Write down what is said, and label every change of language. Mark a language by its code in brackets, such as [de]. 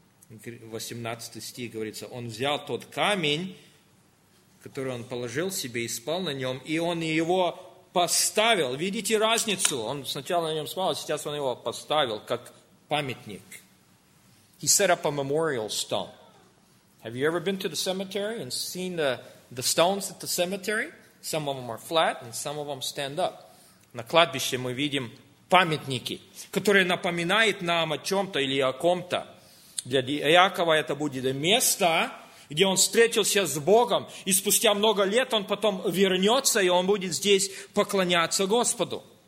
[ru] 18 стих говорится, он взял тот камень, который он положил себе и спал на нем, и он его поставил. Видите разницу? Он сначала на нем спал, а сейчас он его поставил как памятник. [en] He set up a memorial stone. Have you ever been to the cemetery and seen the stones at the cemetery? Some of them are flat and some of them stand up. [ru] На кладбище мы видим памятники, которые напоминают нам о чем-то или о ком-то. Для Иакова это будет место, где он встретился с Богом, и спустя много лет он потом вернется, и он будет здесь поклоняться Господу.